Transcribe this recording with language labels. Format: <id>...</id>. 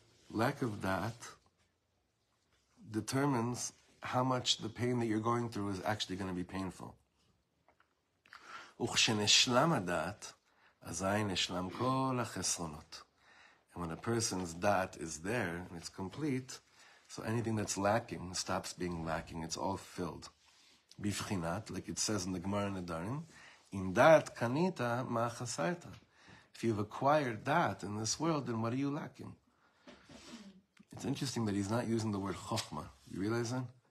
<en>Lack of da'at, determines how much the pain that you're going through is actually going to be painful.</en> <he>וכשנשלם הדעת, אזי נשלם כל החסרונות.</he> <en>And when a person's dat is there, and it's complete, so anything that's lacking stops being lacking, it's all filled. בבחינת, like it says in the Gemara Nedarim,</en> <he>אם דעת קנית, מה חסרת?</he> <en>If you've acquired dat in this world, then what are you lacking? It's interesting that he's not using the word chokhmah. You realize that?</en>